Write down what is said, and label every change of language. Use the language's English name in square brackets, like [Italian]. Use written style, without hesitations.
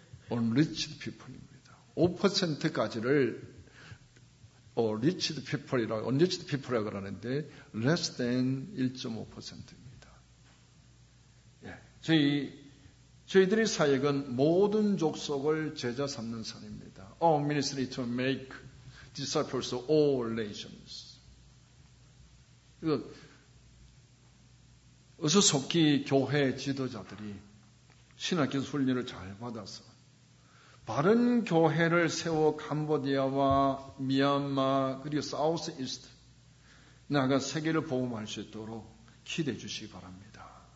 [Korean] Unreached people입니다. 5%까지를 Reached people이라고, Unreached people이라고 하는데 less than 1.5%입니다. 예. 저희들의 사역은 모든 족속을 제자 삼는 산입니다. [English] Our ministry to make disciples of all nations. [Korean] 이거 어서 속히 교회 지도자들이 신학교 훈련을 잘 받아서 바른 교회를 세워 캄보디아와 미얀마 그리고 사우스 이스트 나아가 세계를 복음할 수 있도록 기대해 주시기 바랍니다.